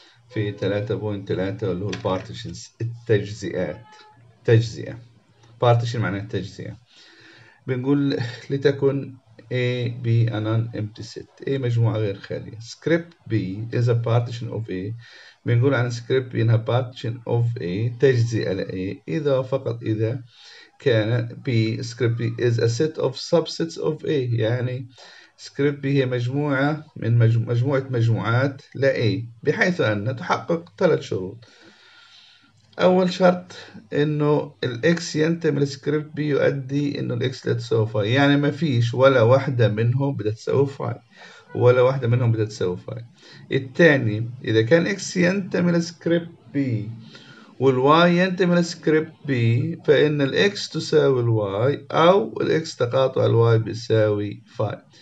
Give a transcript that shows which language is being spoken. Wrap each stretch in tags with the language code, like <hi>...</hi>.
<ar>في 3.3 اللي هو البارتيشنز، التجزئات، تجزئة. بارتيشن معناه التجزئة. بنقول لتكن A B</ar> <en>an empty set،</en> <ar>A مجموعة غير خالية.</ar> <en>script B is a partition of A،</en> <ar>بنقول عن script B انها</ar> <en>partition of A،</en> <ar>تجزئة ل A إذا فقط إذا كان B،</ar> <en>script B is a set of subsets of A،</en> <ar>يعني script B هي مجموعة من مجموعة مجموعات ل A، بحيث أن تحقق ثلاث شروط. أول شرط إنه الإكس ينتمي لسكريبت بي يؤدي إنه الإكس لا تساوي فاي، يعني ما فيش ولا واحدة منهم بدها تساوي فاي، ولا واحدة منهم بدها تساوي فاي. التاني إذا كان إكس ينتمي لسكريبت بي والواي ينتمي لسكريبت بي، فإن الإكس تساوي الواي أو الإكس تقاطع الواي بيساوي فاي.</ar>